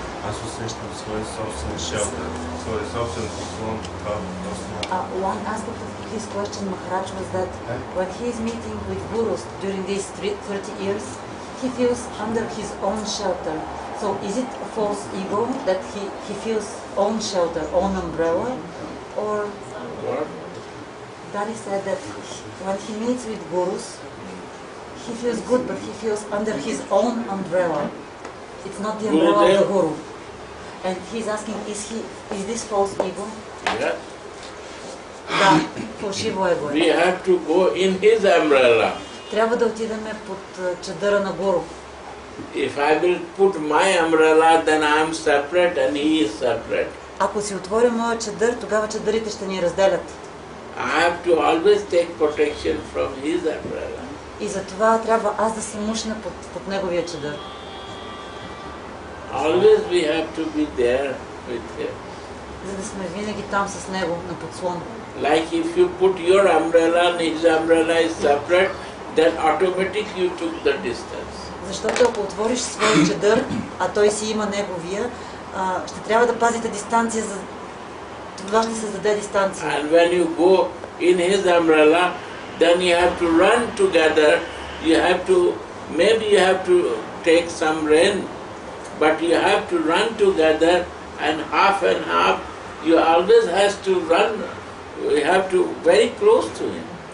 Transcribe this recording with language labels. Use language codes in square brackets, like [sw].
[bg] Аз усещам своя собствен шелтър, своя собствен послон. [en] One aspect of his question, Maharaj, was that when he is meeting with gurus during these 30 years, he feels under his own shelter. So is it a false ego that he feels own shelter, own umbrella? Or Dani said that when he meets with gurus, he feels good, but he feels under his own umbrella. It's not the umbrella of the guru. And he's asking, is this false ego? Yes. [bg] Да, фалшиво его е. [en] We have to go in his umbrella. [bg] Трябва да отидем под чадъра на гуру. [en] If I will put my umbrella, then I am separate and he is separate. [bg] Ако си отворя моя чадър, тогава чадърите ще ни разделят. [en] I have to always take protection from his umbrella. [bg] И затова трябва аз да се мушна под неговия чадър. [en] Always we have to be there with him. [bg] За да сме винаги там с него на подслон. [en] Like if you put your umbrella and his umbrella is separate, then automatically you took the distance. [bg] Защото ако отвориш своя чадър, а той си има неговия, ще трябва да пазите дистанция, за това ще създаде дистанция. [en] And when you go in his umbrella, then you have to run together. You have to, maybe you have to take some rain. But you have to run together and half, you always has to run, you have to very close to him.